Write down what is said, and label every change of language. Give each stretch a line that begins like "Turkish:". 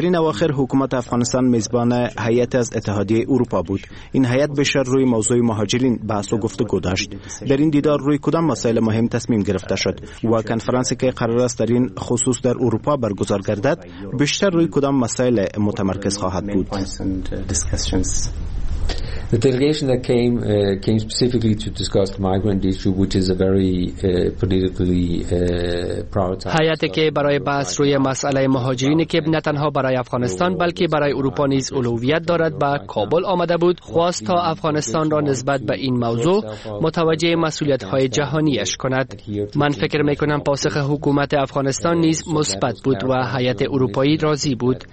Persian: این اواخر حکومت افغانستان میزبان هیئت از اتحادیه اروپا بود. این هیئت بیشتر روی موضوع مهاجرین بحث و گفتگو داشت. در این دیدار روی کدام مسائل مهم تصمیم گرفته شد و کنفرانسی که قرار است در این خصوص در اروپا برگزار گردد بیشتر روی کدام مسائل متمرکز خواهد بود؟
English: The delegation that came came specifically to discuss the migrant issue, which is a very politically prioritized.
Persian: حیاتی که برای بحث روی مسئله مهاجرینی که نه تنها برای افغانستان بلکه برای اروپا نیز اولویت دارد با کابل آمده بود، خواست تا افغانستان را نسبت به این موضوع متوجه مسئولیت‌های جهانیش کند. من فکر می‌کنم پاسخ حکومت افغانستان نیز مثبت بود و حیات اروپایی راضی بود.